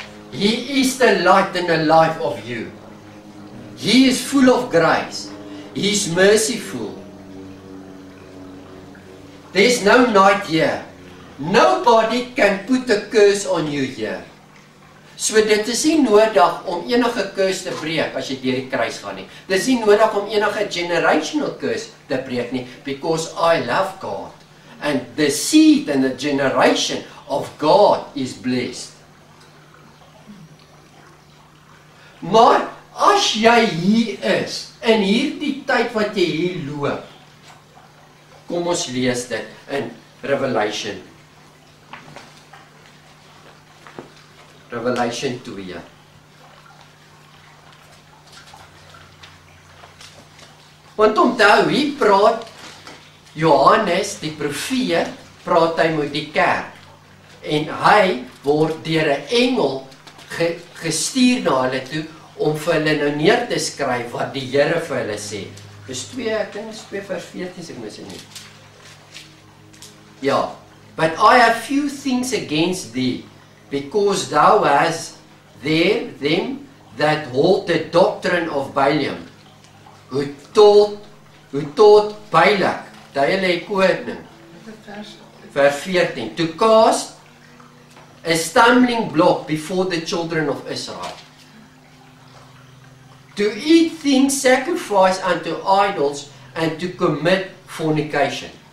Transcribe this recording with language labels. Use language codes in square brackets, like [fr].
[en] He is the light in the life of you. He is full of grace. He is merciful. There's no night here. Nobody can put a curse on you here. [af] So dit is nie nodig om enige curse te breek as jy deur die kruis gaan nie. Dis nie nodig om enige generational curse te breek nie, [en] because I love God. [af] And the seed and the generation of God is blessed. Maar as jy hier is, in hierdie tyd wat jy hier loop, kom ons lees dit in Revelation. Revelation 2. Want onthou, hier praat Johannes, die profeet, praat hy met die kerk. En hy word deur 'n engel gestuur na hulle toe om vir hulle nou neer te skryf wat die Here vir hulle sê. Dis 2, ek dink is 2 vers 14, ek mis dit nie. [en] Ja, but I have few things against thee. Because thou hast there them that hold the doctrine of Balaam, who taught Balak, thy lay coordinate, verse 14, to cast a stumbling block before the children of Israel, to eat things sacrificed unto idols, and to commit fornication.